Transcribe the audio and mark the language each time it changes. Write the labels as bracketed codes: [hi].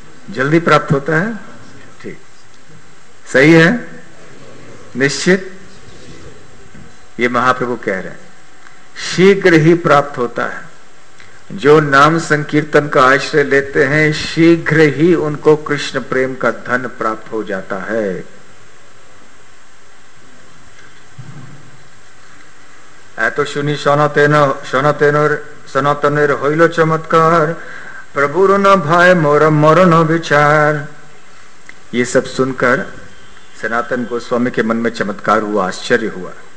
[hi] जल्दी प्राप्त होता है, ठीक, सही है, निश्चित, ये महाप्रभु कह रहे हैं, शीघ्र ही प्राप्त होता है। जो नाम संकीर्तन का आश्रय लेते हैं शीघ्र ही उनको कृष्ण प्रेम का धन प्राप्त हो जाता है। [bn] এত শুনি সনাতনের সনাতনের হইল চমৎকার, প্রভুর না ভয় মোর মরণ বিচার। [hi] ये सब सुनकर सनातन गोस्वामी के मन में चमत्कार हुआ, आश्चर्य हुआ।